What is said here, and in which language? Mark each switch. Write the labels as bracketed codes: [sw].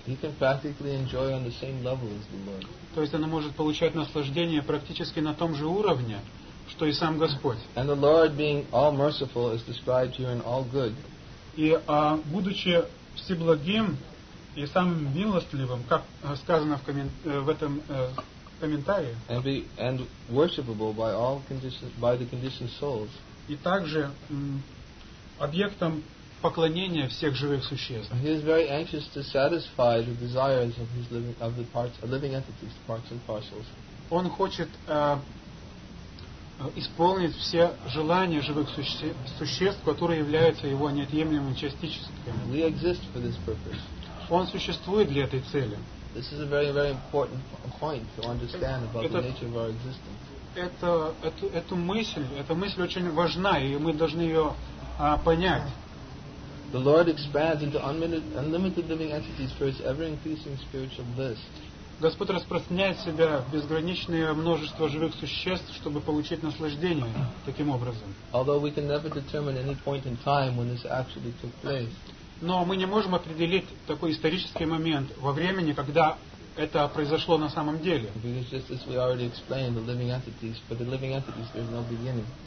[en] He can practically enjoy on the same level as the Lord. [ru] То есть оно может получать наслаждение практически на том же уровне, что и сам Господь. [en] And the Lord being all merciful is described here in all good. [ru] И будучи всеблагим и самым милостливым, как сказано в этом комментарии, [en] and worshipable by all conditions, by the conditioned souls, [ru] и также объектом поклонения всех живых существ. [en] He is very anxious to satisfy the desires of his living of the parts of living entities, parts and parcels. [ru] Он хочет исполнить все желания живых существ, которые являются его неотъемлемыми частичками. [en] We exist for this purpose. [ru] Он существует для этой цели. [en] This is a very, very important point to understand about the nature of our existence. [ru] Эта мысль очень важна, и мы должны ее понять. [en] The Lord expands into unlimited living entities for his ever-increasing spiritual bliss. [ru] Господь распространяет себя в безграничное множество живых существ, чтобы получить наслаждение таким образом. [en] Although we can never determine any point in time when this actually took place. [ru] Но мы не можем определить такой исторический момент во времени, когда это произошло на самом деле. [en] Because just as we already explained, the living entities, for the living entities, there's no beginning.